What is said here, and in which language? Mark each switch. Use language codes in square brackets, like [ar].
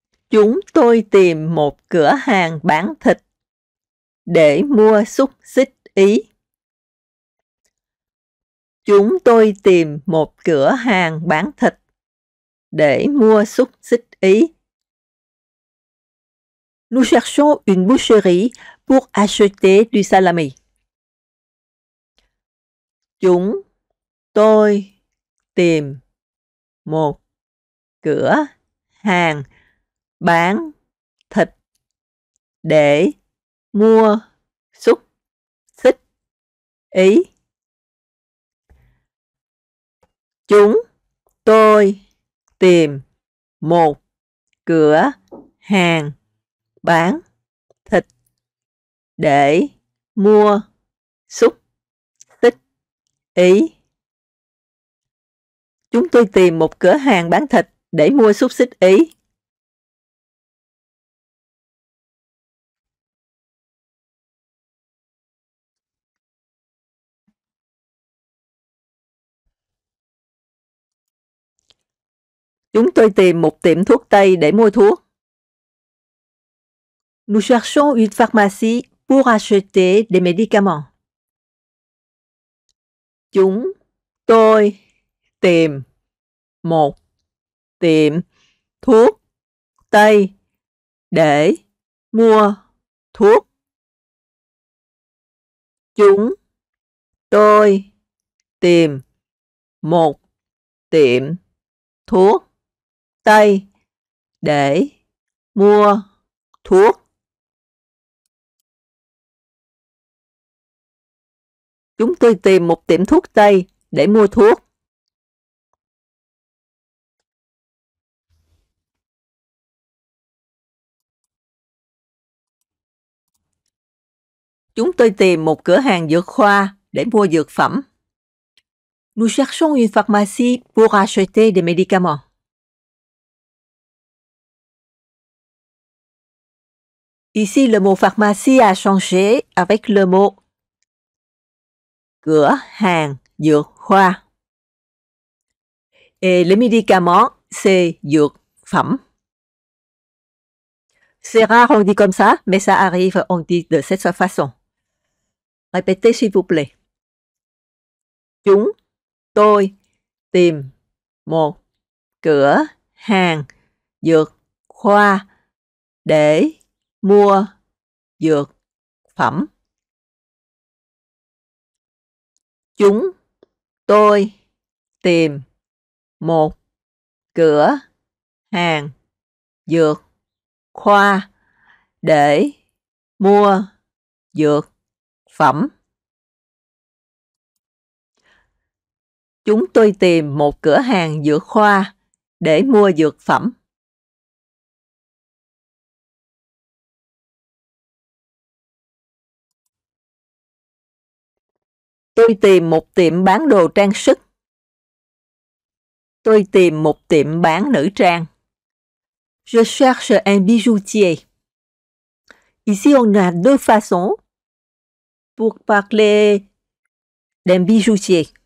[vi] Chúng tôi tìm một cửa hàng bán thịt để mua xúc xích Ý. Chúng tôi tìm một cửa hàng bán thịt để mua xúc xích Ý. [fr] Nous cherchons une boucherie pour acheter du salami. [vi] Chúng tôi tìm một cửa hàng bán thịt để mua xúc xích Ý. Chúng tôi tìm một cửa hàng bán thịt để mua xúc xích Ý. Chúng tôi tìm một cửa hàng bán thịt để mua xúc xích Ý. Chúng tôi tìm một tiệm thuốc Tây để mua thuốc. [fr] Nous cherchons une pharmacie pour acheter des médicaments. [vi] Chúng tôi tìm một tiệm thuốc Tây để mua thuốc. Chúng tôi tìm một tiệm thuốc Tây để mua thuốc. Chúng tôi tìm một tiệm thuốc Tây để mua thuốc. Chúng tôi tìm một cửa hàng dược khoa để mua dược phẩm. [fr] Nous cherchons une pharmacie pour acheter des médicaments. Ici, le mot pharmacie a changé avec le mot [vi] cửa hàng dược khoa. [fr] Et les médicaments, c'est dược phẩm. C'est rare, on dit comme ça, mais ça arrive, on dit de cette façon. Répétez, s'il vous plaît. [vi] Chúng tôi tìm một cửa hàng dược khoa để mua dược phẩm. Chúng tôi tìm một cửa hàng dược khoa để mua dược phẩm. Chúng tôi tìm một cửa hàng dược khoa để mua dược phẩm. Tôi tìm một tiệm bán đồ trang sức. Tôi tìm một tiệm bán nữ trang. [fr] Je cherche un bijoutier. Ici, on a deux façons pour parler d'un bijoutier.